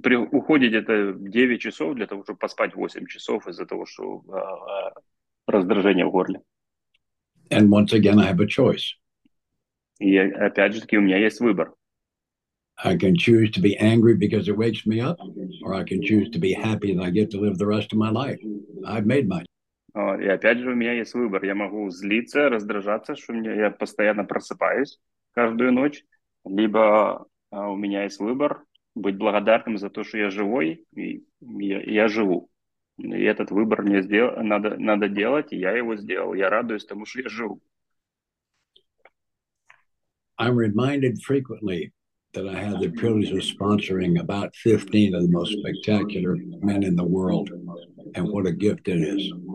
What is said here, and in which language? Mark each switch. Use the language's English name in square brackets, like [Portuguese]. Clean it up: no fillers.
[Russian] Уходит это 9 часов для того, чтобы поспать 8 часов из-за того, что раздражение в горле. [English] And once again, I have a choice. [Russian] И опять же таки у меня есть выбор. [English] I can choose to be angry because it wakes me up, or I can choose to be happy and I get to live the rest of my life. I've made my choice. [Russian] И опять же, у меня есть выбор. Я могу злиться, раздражаться, что я постоянно просыпаюсь каждую ночь, либо у меня есть выбор быть благодарным за то, что я живой, и я живу. И этот выбор мне надо делать, и я его сделал. Я радуюсь тому, что я живу. [English] I'm reminded frequently that I had the privilege of sponsoring about 15 of the most spectacular men in the world, and what a gift it is.